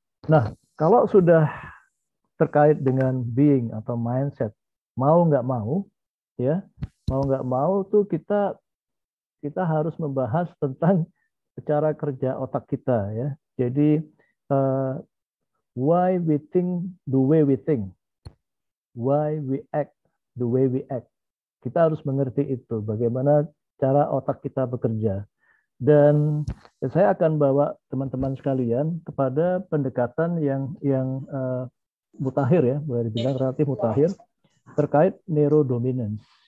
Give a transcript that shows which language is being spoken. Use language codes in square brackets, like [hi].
[id] Nah, kalau sudah terkait dengan being atau mindset, mau nggak mau ya, mau nggak mau tuh kita harus membahas tentang cara kerja otak kita ya. [en] Jadi why we think the way we think, why we act the way we act. [id] Kita harus mengerti itu, bagaimana cara otak kita bekerja. Dan saya akan bawa teman-teman sekalian kepada pendekatan yang mutakhir ya, boleh dibilang relatif mutakhir, terkait neurodominance.